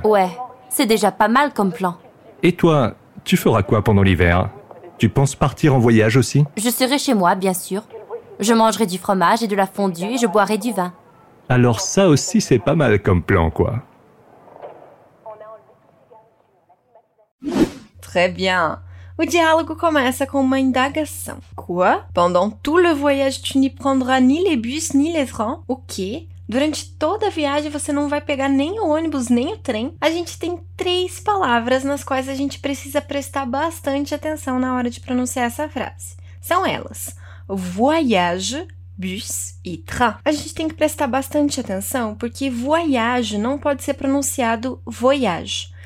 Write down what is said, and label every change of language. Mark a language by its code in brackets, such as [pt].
[fr] Ouais, c'est déjà pas mal comme plan. Et toi, tu feras quoi pendant l'hiver ? Tu penses partir en voyage aussi ? Je serai chez moi, bien sûr. Je mangerai du fromage et de la fondue et je boirai du vin. Alors ça aussi, c'est pas mal comme plan, quoi. Très bien. [pt] O diálogo começa com uma indagação. [fr] Quoi ? Pendant tout le voyage, tu n'y prendras ni les bus ni les trains ? [pt] O quê? Durante toda a viagem, você não vai pegar nem o ônibus, nem o trem. A gente tem três palavras nas quais a gente precisa prestar bastante atenção na hora de pronunciar essa frase. São elas, voyage, bus e train. A gente tem que prestar bastante atenção porque voyage não pode ser pronunciado voyage.